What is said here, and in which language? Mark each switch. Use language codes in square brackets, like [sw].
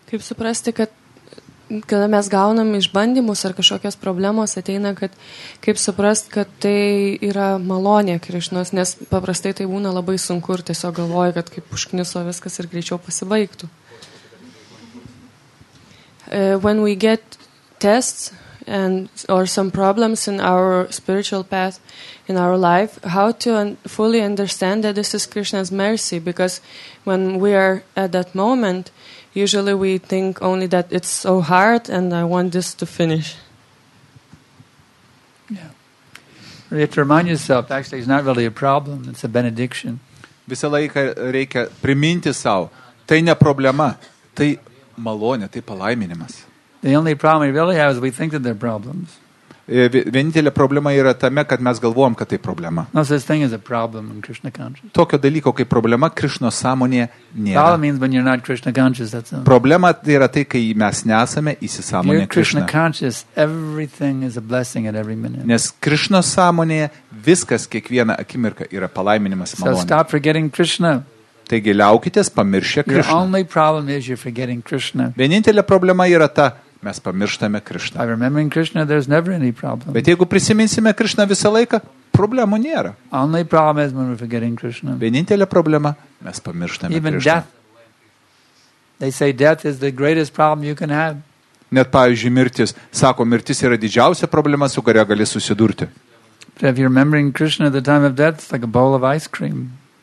[lt] Kaip suprasti, kad kada mes gaunam išbandymus ar kažkokios problemos ateina, kad kaip suprasti, kad tai yra malonė Krišnos, nes paprastai tai būna labai sunku ir tiesiog galvoja, kad kaip užkniso viskas ir greičiau pasibaigtų. [en] when we get tests and or some problems in our spiritual path in our life, how to fully understand that this is Krishna's mercy, because when we are at that moment, usually we think only that it's so hard and I want this to finish. Yeah. You have to remind yourself, actually, it's not really a problem, it's a benediction. [lt] Visą laiką reikia priminti sau, tai ne problema, tai malonė, tai palaiminimas. [en] The only problem we really have is we think that they're problems. [lt] Vienintelė problema yra tame, kad mes galvojam, kad tai problema. [en] No such thing as a problem in Krishna consciousness. [lt] Tokio dalyko kaip problema Krishna sąmonėje nėra. [en] Problem means when you're not Krishna conscious, that's all. [lt] Problema yra tai, kai mes nesame įsisąmonę [en] Krishna conscious, everything is a blessing at every minute. [lt] Nes Krishna sąmonėje viskas kiekvieną akimirką yra palaiminimas malonė. [en] So stop forgetting Krishna. [lt] Taigi liaukitės pamiršę Krishna. [en] Your only problem is you're forgetting Krishna. [lt] Vienintelė problema yra ta, mes pamirštame Krishna. [en] By remembering Krishna, there's never any problem. [lt] Bet jeigu prisiminsime Krishna visą laiką, problemų nėra. [en] Only problem is when we're forgetting Krishna. [lt] Vienintelė problema, mes pamirštame [en] Even Krishna. Death. They say death is the greatest problem you can have. [lt] Net pavyzdžiui, mirtis, sako, mirtis yra didžiausia problema, su kuria gali susidurti. [en] But if you're remembering Krishna at the time of death, it's like a bowl of ice cream.